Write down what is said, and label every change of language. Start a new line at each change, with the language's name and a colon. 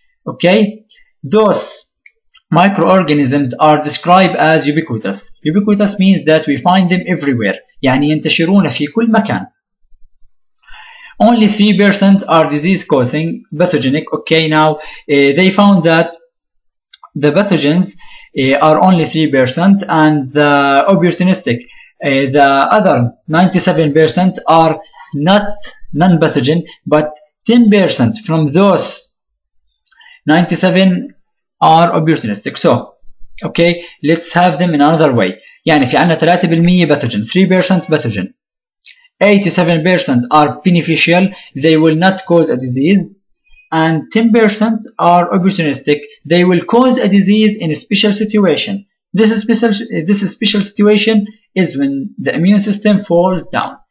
English: Okay. Those microorganisms are described as ubiquitous. Ubiquitous means that we find them everywhere.
Arabic: يعني ينتشرون في كل مكان.
English: Only 3% are disease causing pathogenic. Okay. Now they found that the pathogens are only 3% and the opportunistic the other 97% are not non-pathogen, but 10% from those 97 are opportunistic. So, okay, let's have them in another way.
Arabic: يعني في عنا 3% pathogen, 3% pathogen.
English: 87% are beneficial, they will not cause a disease. And 10% are opportunistic, they will cause a disease in a special situation. This special situation is when the immune system falls down.